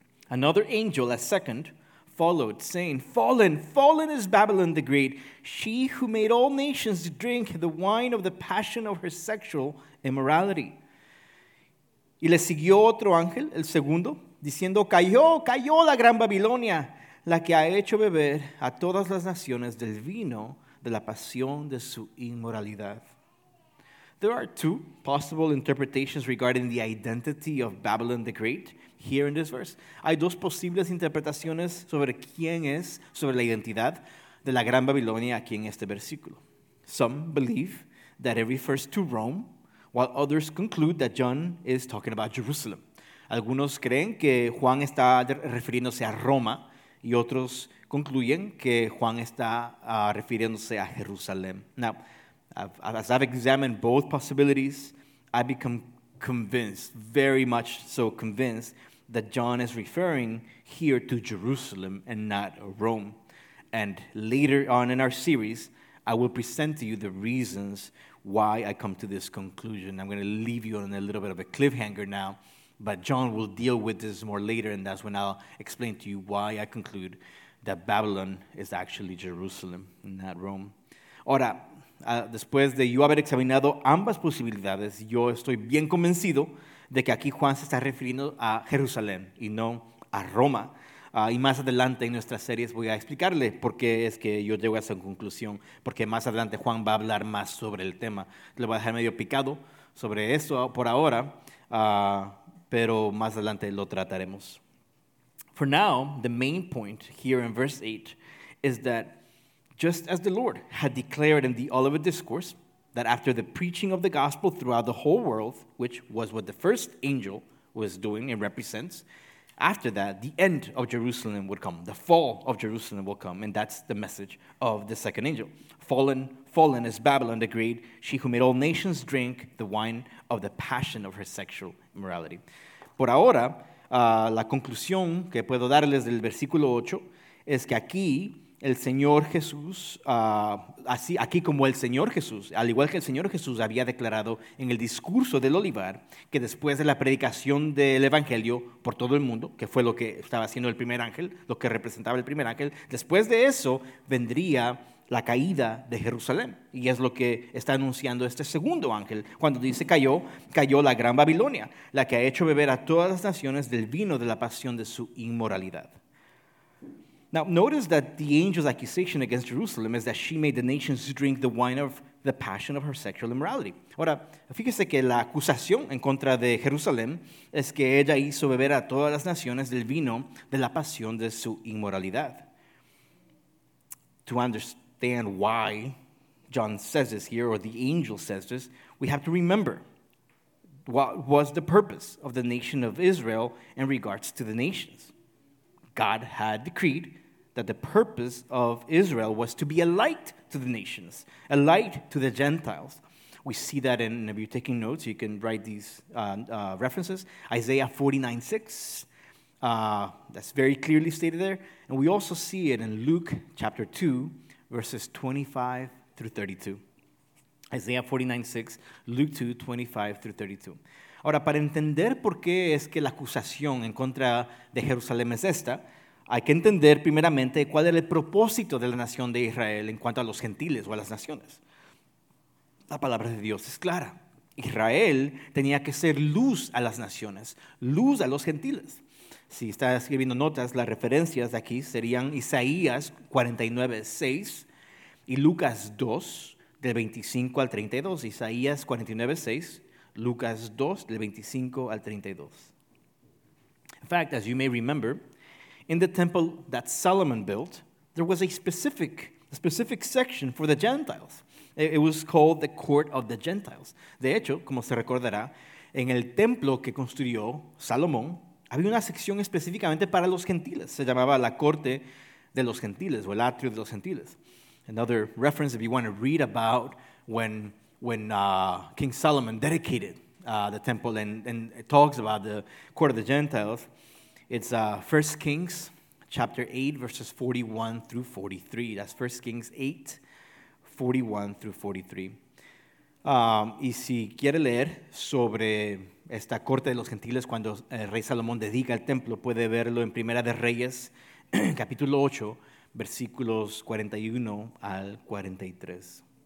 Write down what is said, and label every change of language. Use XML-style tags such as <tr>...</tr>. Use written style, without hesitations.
<en>Another angel, a second, followed, saying, "Fallen, fallen is Babylon the Great, she who made all nations drink the wine of the passion of her sexual immorality."</en> <es>Y le siguió otro ángel, el segundo, diciendo, cayó la gran Babilonia, la que ha hecho beber a todas las naciones del vino de la pasión de su inmoralidad.</es> <en>There are two possible interpretations regarding the identity of Babylon the Great here in this verse.</en> <es>Hay dos posibles interpretaciones sobre quién es, sobre la identidad de la gran Babilonia aquí en este versículo.</es> <en>Some believe that it refers to Rome, while others conclude that John is talking about Jerusalem.</en> <es>Algunos creen que Juan está refiriéndose a Roma, y otros concluyen que Juan está refiriéndose a Jerusalén.</es> <en>Now, as I've examined both possibilities, I become convinced, very much so convinced, that John is referring here to Jerusalem and not Rome. And later on in our series, I will present to you the reasons why I come to this conclusion. I'm going to leave you on a little bit of a cliffhanger now, but John will deal with this more later, and that's when I'll explain to you why I conclude that Babylon is actually Jerusalem, not Rome.</en> <es>Ahora, después de yo haber examinado ambas posibilidades, yo estoy bien convencido de que aquí Juan se está refiriendo a Jerusalén y no a Roma. Y más adelante en nuestras series voy a explicarle por qué es que yo llego a esa conclusión, porque más adelante Juan va a hablar más sobre el tema. Le voy a dejar medio picado sobre eso por ahora, pero más adelante lo trataremos.</es> <en>For now, the main point here in verse 8 is that just as the Lord had declared in the Olivet Discourse that after the preaching of the gospel throughout the whole world, which was what the first angel was doing and represents, after that, the end of Jerusalem would come. The fall of Jerusalem will come. And that's the message of the second angel. Fallen, fallen is Babylon the Great, she who made all nations drink the wine of the passion of her sexual immorality.</en> <es>Por ahora, la conclusión que puedo darles del versículo 8 es que aquí el Señor Jesús, aquí como el Señor Jesús, al igual que el Señor Jesús había declarado en el discurso del Olivar, que después de la predicación del Evangelio por todo el mundo, que fue lo que estaba haciendo el primer ángel, lo que representaba el primer ángel, después de eso vendría la caída de Jerusalén. Y es lo que está anunciando este segundo ángel. Cuando dice cayó, cayó la gran Babilonia, la que ha hecho beber a todas las naciones del vino de la pasión de su inmoralidad.</es> <en>Now, notice that the angel's accusation against Jerusalem is that she made the nations drink the wine of the passion of her sexual immorality.</en> <es>Ahora, fíjese que la acusación en contra de Jerusalén es que ella hizo beber a todas las naciones del vino de la pasión de su inmoralidad.</es> <en>To understand why John says this here, or the angel says this, we have to remember what was the purpose of the nation of Israel in regards to the nations. God had decreed that the purpose of Israel was to be a light to the nations, a light to the Gentiles. We see that in, if you're taking notes, you can write these references. Isaiah 49:6, that's very clearly stated there. And we also see it in Luke chapter 2, verses 25 through 32. Isaiah 49:6, Luke 2, 25 through 32.</en> <es>Ahora, para entender por qué es que la acusación en contra de Jerusalén es esta, hay que entender primeramente cuál era el propósito de la nación de Israel en cuanto a los gentiles o a las naciones. La palabra de Dios es clara. Israel tenía que ser luz a las naciones, luz a los gentiles. Si está escribiendo notas, las referencias de aquí serían Isaías 49:6 y Lucas 2, del 25 al 32. Isaías 49:6. Lucas 2, del 25 al 32.</es> <en>In fact, as you may remember, in the temple that Solomon built, there was a specific section for the Gentiles. It was called the Court of the Gentiles.</en> <es>De hecho, como se recordará, en el templo que construyó Salomón, había una sección específicamente para los gentiles. Se llamaba la Corte de los Gentiles, o el Atrio de los Gentiles.</es> <en>Another reference, if you want to read about when King Solomon dedicated the temple and it talks about the court of the Gentiles, it's 1 Kings chapter 8, verses 41 through 43. That's 1 Kings 8, 41 through 43.</en> <es>Y si quiere leer sobre esta corte de los gentiles cuando el rey Salomón dedica el templo, puede verlo en Primera de Reyes, capítulo 8, versículos 41 al 43.</es>